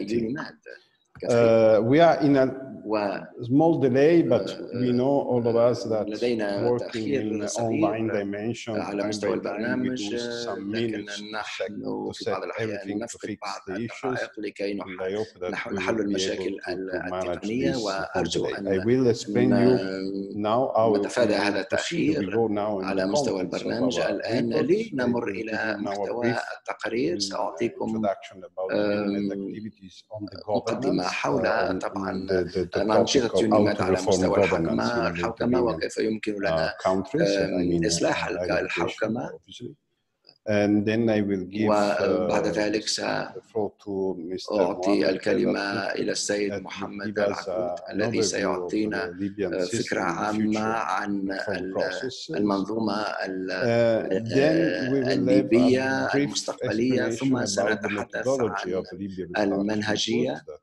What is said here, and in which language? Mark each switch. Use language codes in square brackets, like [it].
[en] We are in a small delay, but we know all of us that working in the online dimension, we lose some minutes, seconds to set everything to fix the issues, and I hope that we will be able to manage this for today. I will explain you now how we go now in the comments of our people, in our paper, the introduction about the activities on the governance, [ar] حول طبعا أنشطة UNIMED على مستوى الحكمة الحوكمة وكيف يمكن لنا إصلاح الحوكمة [en] and then I will give the floor to Mr. [ar] أعطي الكلمة إلى السيد محمد العقود الذي سيعطينا فكرة عامة عن المنظومة الليبية المستقبلية ثم سنتحدث عن المنهجية